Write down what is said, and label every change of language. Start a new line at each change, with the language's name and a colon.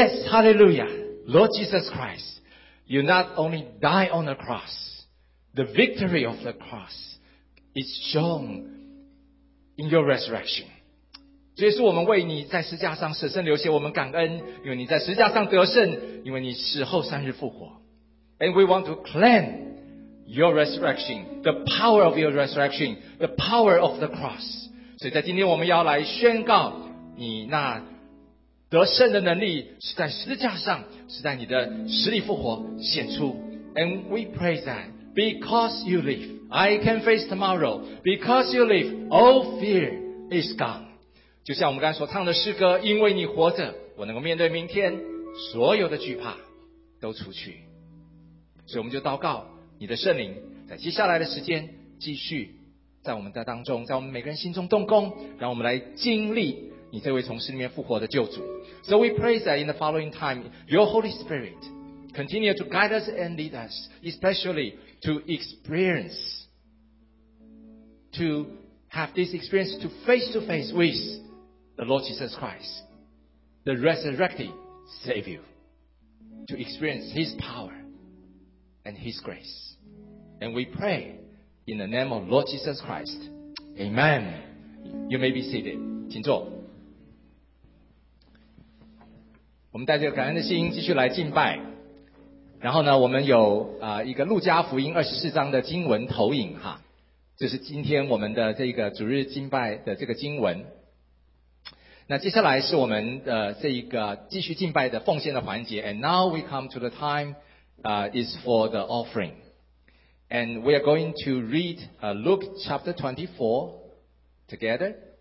English: Hallelujah, Lord Jesus Christ, you not only die on the cross, the victory of the cross is shown in your resurrection.
Chinese: 主耶稣，我们为你在十字架上舍身流血，我们感恩，因为你在十字架上得胜，因为你死后三日复活。
English: And we want to claim your resurrection, the power of your resurrection, the power of the cross.
Chinese: 所以在今天我们要来宣告你那得胜的能力是在十字架上，是在你的死里复活显出。
English: And we pray that because you live, I can face tomorrow. Because you live, all fear is gone.
Chinese: 就像我们刚才所唱的诗歌，因为你活着，我能够面对明天，所有的惧怕都除去。所以我们就祷告你的圣灵在接下来的时间继续在我们的当中，在我们每个人心中动工，让我们来经历你这位从死里面复活的救主。
English: So we pray that in the following time, your Holy Spirit continue to guide us and lead us, especially to experience, to have this experience to face to face with the Lord Jesus Christ, the resurrected Savior, to experience His power and His grace. And we pray in the name of Lord Jesus Christ. Amen. You may be seated.
Chinese: 请坐。我们带着感恩的心继续来敬拜，然后呢，我们有一个路加福音24章的经文投影哈，就是今天我们的这个主日敬拜的这个经文。那接下来是我们的这一个继续敬拜的奉献的环节。
English: And now we come to the time is for the offering, and we are going to read Luke chapter 24 together.